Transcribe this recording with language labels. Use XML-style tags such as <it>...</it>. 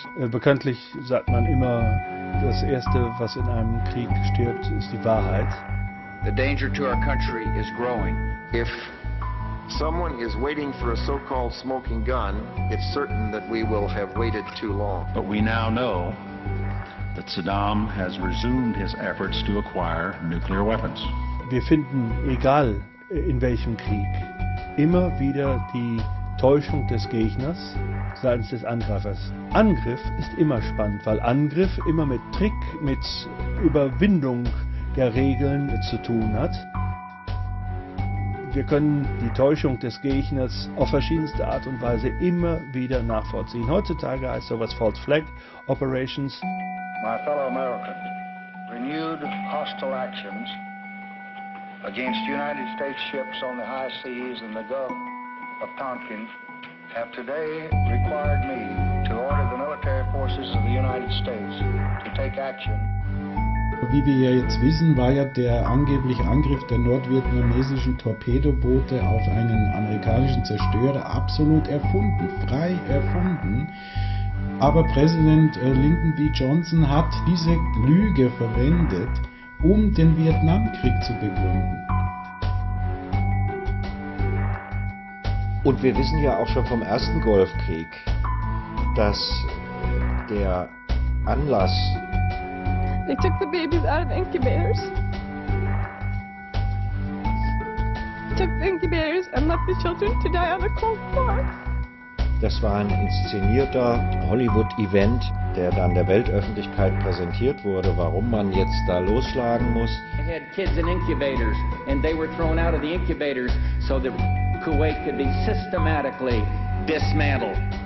<de>Bekanntlich sagt man immer, das Erste, was in einem Krieg stirbt, ist die Wahrheit.</de> <en>The danger to our country is growing. If someone is waiting for a so-called smoking gun, it's certain that we will have waited too long. But we now know that Saddam has resumed his efforts to acquire nuclear weapons.</en> <de>Wir finden, egal in welchem Krieg, immer wieder die Täuschung des Gegners seitens des Angreifers. Angriff ist immer spannend, weil Angriff immer mit Trick, mit Überwindung der Regeln zu tun hat. Wir können die Täuschung des Gegners auf verschiedenste Art und Weise immer wieder nachvollziehen. Heutzutage heißt sowas False Flag Operations.</de> <en>My fellow Americans, renewed hostile actions against United States ships on the high seas in the Gulf of Tonkin have today required me to order the military forces of the United States to take action.</en> <de>Wie wir ja jetzt wissen, war ja der angebliche Angriff der nordvietnamesischen Torpedoboote auf einen amerikanischen Zerstörer absolut erfunden, frei erfunden. Aber Präsident Lyndon B. Johnson hat diese Lüge verwendet, um den Vietnamkrieg zu begründen. Und wir wissen ja auch schon vom ersten Golfkrieg, dass der Anlass...</de> <en>They took the babies out of incubators. Took the incubators and left the children to die on the cold floor.</en> <de>Das war ein inszenierter Hollywood-Event, der dann der Weltöffentlichkeit präsentiert wurde, warum man jetzt da losschlagen muss.</de> <en>They had kids in incubators and they were thrown out of the incubators so that Kuwait could be systematically dismantled.</en>